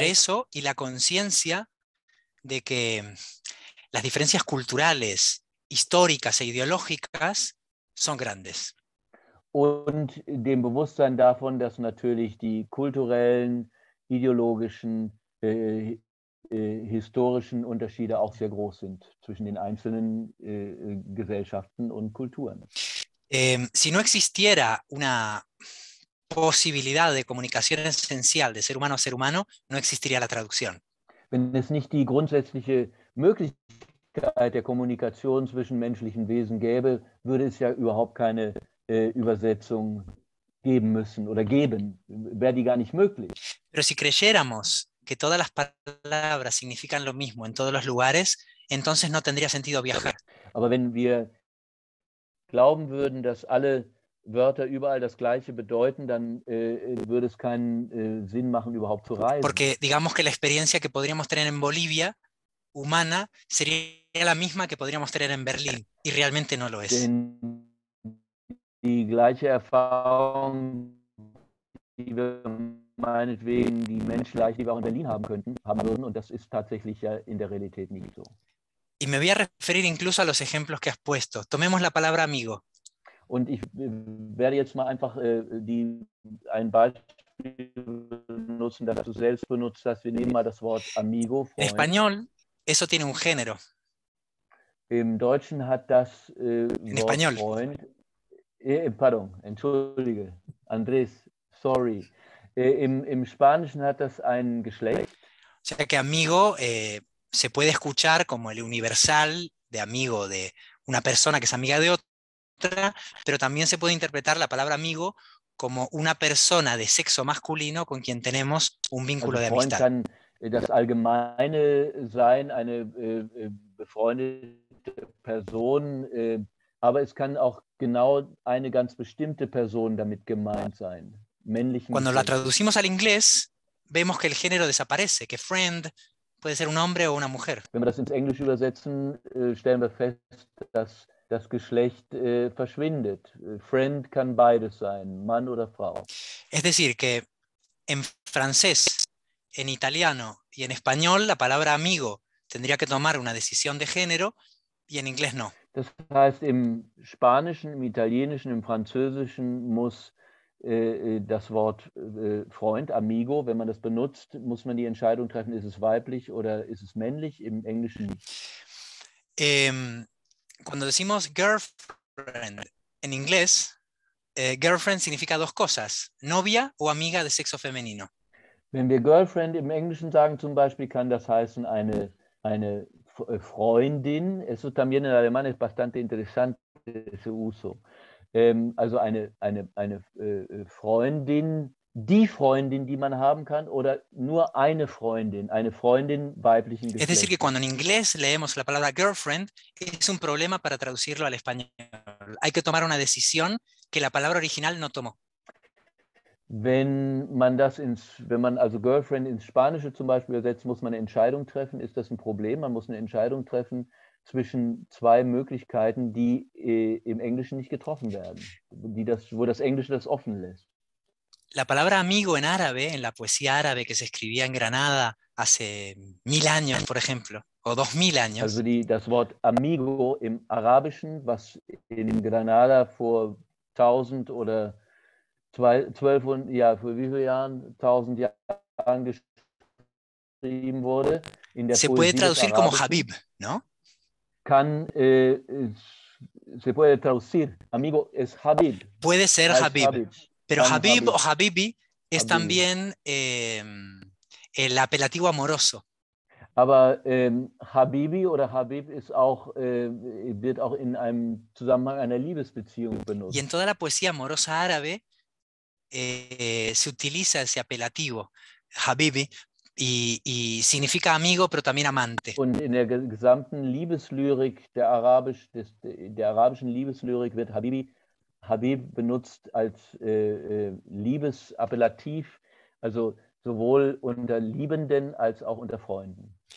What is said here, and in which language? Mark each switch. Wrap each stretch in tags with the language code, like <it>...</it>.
<es>Entre eso y la conciencia de que las diferencias culturales, históricas e ideológicas son grandes.</es> <de>Und dem Bewusstsein davon, dass natürlich die kulturellen, ideologischen, historischen Unterschiede auch sehr groß sind zwischen den einzelnen Gesellschaften und Kulturen.</de> <es>Si no existiera una posibilidad de comunicación esencial de ser humano a ser humano, no existiría la traducción.</es> <de>Wenn es nicht die grundsätzliche Möglichkeit der Kommunikation zwischen menschlichen Wesen gäbe, würde es ja überhaupt keine Übersetzung geben müssen oder geben. Wäre die gar nicht möglich.</de> <es>Pero si creyéramos que todas las palabras significan lo mismo en todos los lugares, entonces no tendría sentido viajar.</es> <de>Aber wenn wir glauben würden, dass alle Wörter überall das gleiche bedeuten, dann würde es keinen Sinn machen, überhaupt zu reisen.</de> <es>Porque digamos que la experiencia que podríamos tener en Bolivia, humana, sería la misma que podríamos tener en Berlín, y realmente no lo es.</es> <de>Denn die gleiche Erfahrung, die wir meinetwegen die Menschen gleich, die wir auch in Berlin haben könnten, haben würden, und das ist tatsächlich ja in der Realität nicht so.</de> <es>Y me voy a referir incluso a los ejemplos que has puesto. Tomemos la palabra amigo.</es> <de>Und ich werde jetzt mal einfach ein Beispiel nutzen, das du selbst benutzt hast. Wir nehmen mal das Wort amigo.</de> <es>En español, eso tiene un género.</es> <de>Im Deutschen hat das</de> <es>en español.</es> <de>Freund. Pardon, entschuldige. Andrés, sorry. Im Spanischen hat das ein Geschlecht.</de> <es>O sea que amigo se puede escuchar como el universal de amigo de una persona que es amiga de otra. Pero también se puede interpretar la palabra amigo como una persona de sexo masculino con quien tenemos un vínculo de amistad.</es> <de>Kann das Allgemeine sein, eine befreundete Person, aber es kann auch genau eine ganz bestimmte Person damit gemeint sein. Männlichen</de> <es>Cuando la traducimos al inglés, vemos que el género desaparece, que friend puede ser un hombre o una mujer.</es> <de>Wenn wir das ins Englisch übersetzen, stellen wir fest, dass das Geschlecht verschwindet. Friend kann beides sein, Mann oder Frau.</de> <es>Es decir, que en francés, en italiano y en español la palabra amigo tendría que tomar una decisión de género y en inglés no.</es> <de>Das heißt, im Spanischen, im Italienischen, im Französischen muss das Wort Freund, amigo, wenn man das benutzt, muss man die Entscheidung treffen, ist es weiblich oder ist es männlich, im Englischen</de> <es>Cuando decimos girlfriend en inglés, girlfriend significa dos cosas, novia o amiga de sexo femenino.</es> <de>Wenn wir girlfriend im Englischen sagen zum Beispiel, kann das heißen eine Freundin.</de> <es>Eso también en alemán es bastante interesante ese uso.</es> <de>Also eine Freundin, die Freundin, die man haben kann, oder nur eine Freundin weiblichen Geschlechts.</de> <es>Es decir, que cuando en inglés leemos la palabra girlfriend, es un problema para traducirlo al español. Hay que tomar una decisión que la palabra original no tomó.</es> <de>Wenn man also girlfriend ins Spanische zum Beispiel übersetzt, muss man eine Entscheidung treffen. Ist das ein Problem? Man muss eine Entscheidung treffen, zwischen zwei Möglichkeiten, die im Englischen nicht getroffen werden, die das, wo das Englische das offen lässt.</de> <es>La palabra amigo en árabe, en la poesía árabe que se escribía en Granada hace 1000 años, por ejemplo, o 2000 años.</es> <de>Also die, das Wort amigo im Arabischen, was in Granada vor 1000 oder 12, ja, vor wie vielen Jahren, 1000 Jahren geschrieben wurde, in der</de> <es>se puede traducir como Habib, ¿no?</es> <de>Kann,</de> <es>se puede traducir, amigo es Habib. Puede ser Habib. Habib. Pero Habib o Habibi es también el apelativo amoroso.</es> <de>Aber Habibi oder Habib ist auch, wird auch in einem Zusammenhang einer Liebesbeziehung benutzt.</de> <es>Y en toda la poesía amorosa árabe se utiliza ese apelativo, Habibi, y significa amigo, pero también amante.</es> <de>Und in der gesamten Liebeslyrik der, Arabisch, des, der arabischen Liebeslyrik wird Habibi Habib benutzt als Liebesappellativ, also sowohl unter Liebenden als auch unter Freunden.</de>